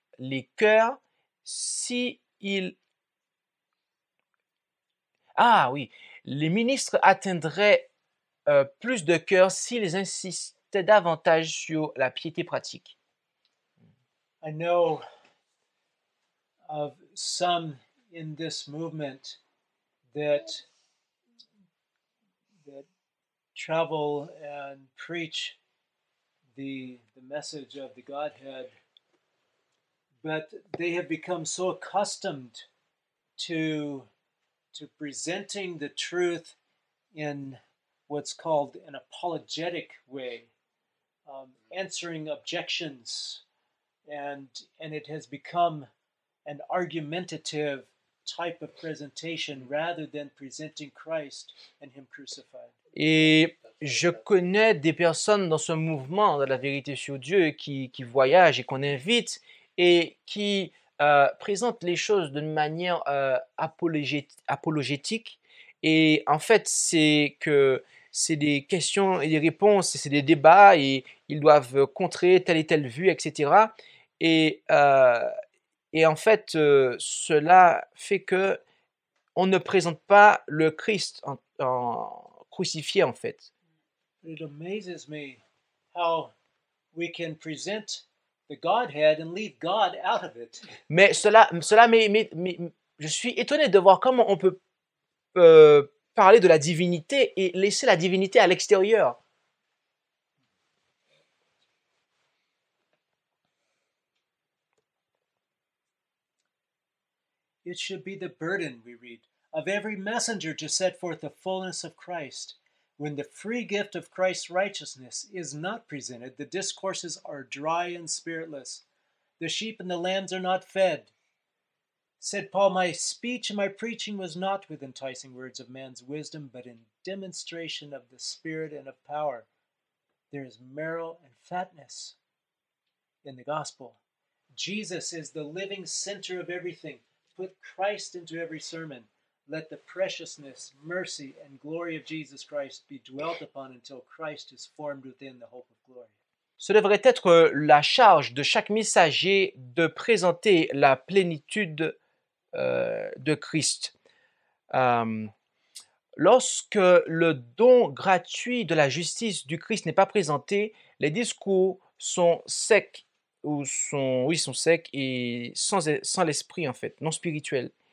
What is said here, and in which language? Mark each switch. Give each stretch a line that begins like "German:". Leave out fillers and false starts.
French: les cœurs s'ils... Ah oui, les ministres atteindraient plus de cœurs s'ils insistaient davantage sur la piété pratique.
English: I know of some in this movement that travel and preach the message of the Godhead, but they have become so accustomed to presenting the truth in what's called an apologetic way, answering objections, and it has become an argumentative type of presentation rather than presenting Christ and Him crucified.
French: Et je connais des personnes dans ce mouvement de la vérité sur Dieu qui voyagent et qu'on invite et qui présentent les choses d'une manière apologétique. Et en fait, c'est des questions et des réponses, c'est des débats et ils doivent contrer telle et telle vue, etc. Et en fait, cela fait que on ne présente pas le Christ en crucifié, en fait.
English: It amazes me how we can present the Godhead and leave God out of it.
French: Mais je suis étonné de voir comment on peut parler de la divinité et laisser la divinité à l'extérieur.
English: It should be the burden, we read, of every messenger to set forth the fullness of Christ. When the free gift of Christ's righteousness is not presented, the discourses are dry and spiritless. The sheep and the lambs are not fed. Said Paul, my speech and my preaching was not with enticing words of man's wisdom, but in demonstration of the Spirit and of power. There is marrow and fatness in the gospel. Jesus is the living center of everything. Put Christ into every sermon. Let the preciousness, mercy, and glory of Jesus Christ be dwelt upon until Christ is formed within the hope of glory.
French: Ce devrait être la charge de chaque messager de présenter la plénitude de Christ. Lorsque le don gratuit de la justice du Christ n'est pas présenté, les discours sont secs secs et sans l'esprit, en fait, non spirituel.